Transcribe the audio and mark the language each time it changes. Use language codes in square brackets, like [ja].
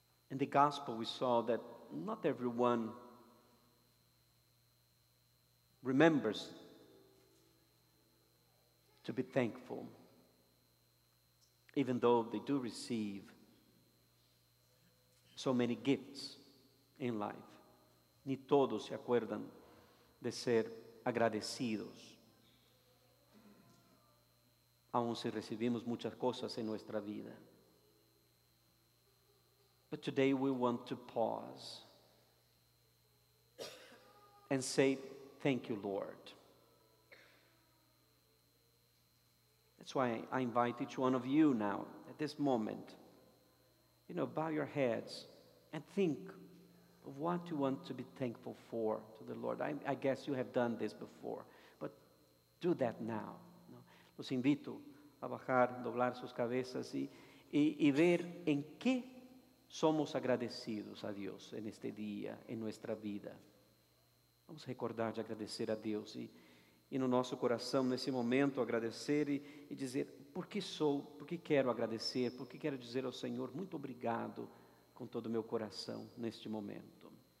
[en] In the gospel, we saw that not everyone remembers to be thankful, even though they do receive so many gifts in life. [es] Ni todos se acuerdan de ser agradecidos, aun si recibimos muchas cosas en nuestra vida. [en] But today we want to pause and say, thank you, Lord. That's why I invite each one of you now, at this moment, you know, bow your heads and think of what you want to be thankful for to the Lord. I guess you have done this before, but do that now. [es] Los invito a bajar, doblar sus cabezas y ver en qué somos agradecidos a Dios en este día, en nuestra vida. Vamos a recordar de agradecer a Dios y [pt] no nosso coração, nesse momento, agradecer e dizer por que sou, por que quero agradecer, por que quero dizer ao Senhor muito obrigado com todo o meu coração neste momento.